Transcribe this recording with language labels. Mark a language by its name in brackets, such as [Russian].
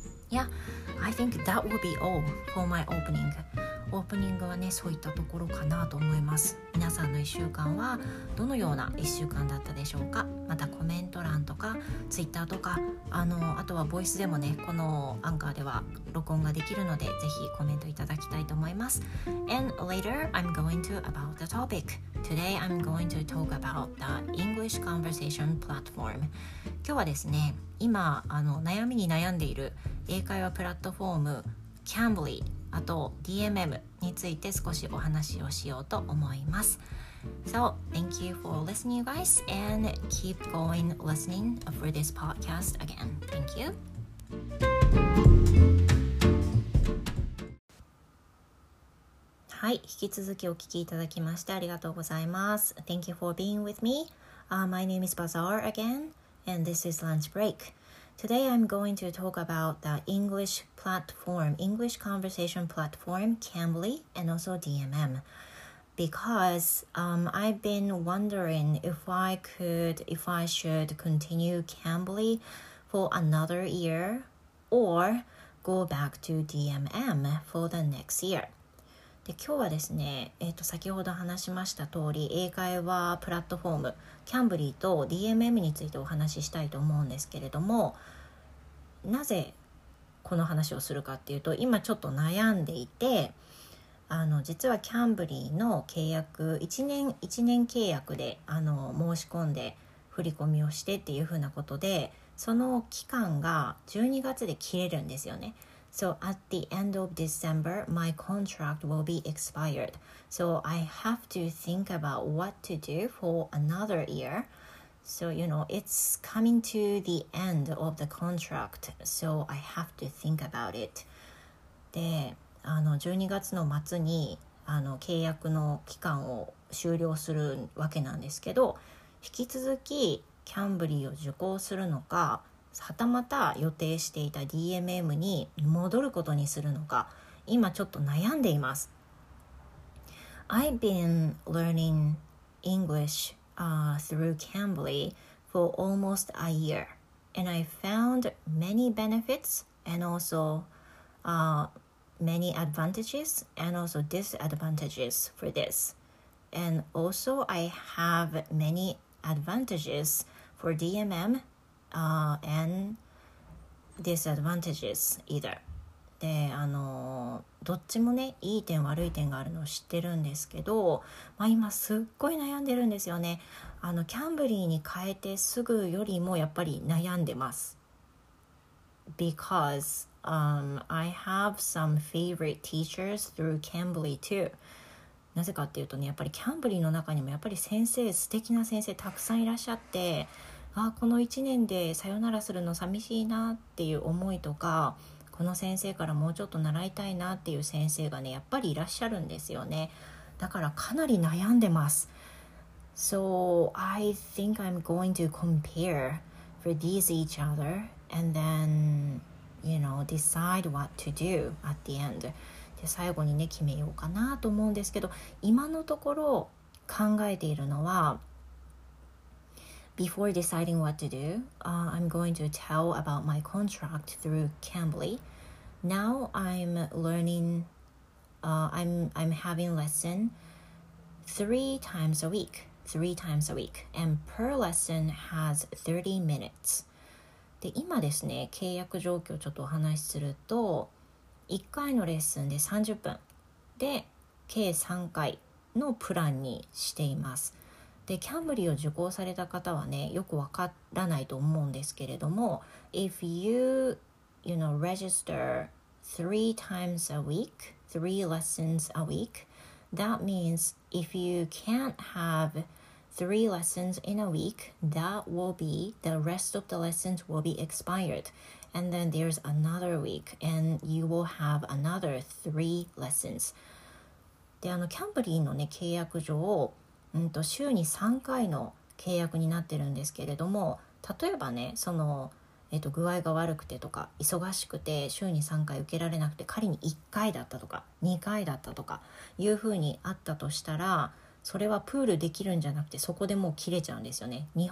[English] Yeah, I think that will be all for my opening オープニングはね、そういったところかなと思います。 [Japanese] 皆さんの1週間はどのような1週間だったでしょうか？またコメント欄とかツイッターとか、あとはボイスでもね、このアンカーでは録音ができるので、ぜひコメントいただきたいと思います。 [English] And later, I'm going to about the topic. Today, I'm going to talk about the English conversation platform. [Japanese] 今日はですね、今悩みに悩んでいる英会話プラットフォーム、Cambly、あと DMM について少しお話をしようと思います。 [English] So thank you for listening, you guys, and keep going listening for this podcast again. Thank you. [Japanese] はい、引き続きお聞きいただきましてありがとうございます。 [English] Thank you for being with me. My name is Bazaar again, and this is Lunch Break. Today I'm going to talk about the English platform, English conversation platform, Cambly, and also DMM. Because I've been wondering if I should continue Cambly for another year or go back to DMM for the next year. [Japanese] で今日はですね、先ほど話しました通り英会話プラットフォームキャンブリーと DMM についてお話ししたいと思うんですけれども、なぜこの話をするかっていうと、今ちょっと悩んでいて、実はキャンブリーの契約1年契約で申し込んで振り込みをしてっていうふうなことで、その期間が12月で切れるんですよね。 [English] So at the end of December, my contract will be expired. So I have to think about what to do for another year. So, you know, it's coming to the end of the contract. So I have to think about it. [Japanese] で、12月の末に契約の期間を終了するわけなんですけど、引き続きキャンブリーを受講するのか、はたまた予定していた DMM に戻ることにするのか、今ちょっと悩んでいます。 [English] I've been learning English through Cambly for almost a year, and I found many benefits and also many advantages and also disadvantages for this. And also I have many advantages for DMM. And disadvantages either. [Japanese] で、どっちもね、いい点悪い点があるのを知ってるんですけど、まあ、今すっごい悩んでるんですよね。キャンブリーに変えてすぐよりもやっぱり悩んでます。 [English] Because I have some favorite teachers through Cambly too. [Japanese] なぜかっていうとね、やっぱりキャンブリーの中にもやっぱり先生、素敵な先生たくさんいらっしゃって、この1年でさよならするの寂しいなっていう思いとか、この先生からもうちょっと習いたいなっていう先生がね、やっぱりいらっしゃるんですよね。だからかなり悩んでます。 [English] So I think I'm going to compare for these each other and then, you know, decide what to do at the end. で最後にね決めようかなと思うんですけど、今のところ考えているのは、 Before deciding what to do, I'm going to tell about my contract through Cambly. Now I'm learning, I'm having lesson three times a week, and per lesson has 30 minutes. [Japanese] で今ですね、契約状況ちょっとお話しすると、1回のレッスンで30分で計3回のプランにしています。 [English] で、キャンブリーを受講された方はね、よくわからないと思うんですけれども、 If you know, register 3 times a week, 3 lessons a week, that means if you can't have 3 lessons in a week, that will be the rest of the lessons will be expired. And then there's another week, and you will have another 3 lessons. [Japanese] で、キャンブリーのね、契約上、週に3回の契約になってるんですけれども、例えばね、その、具合が悪くてとか、忙しくて、週に3回受けられなくて、仮に1回だったとか、2回だったとか、いうふうにあったとしたら、それはプールできるんじゃなくて、そこでもう切れちゃうんですよね。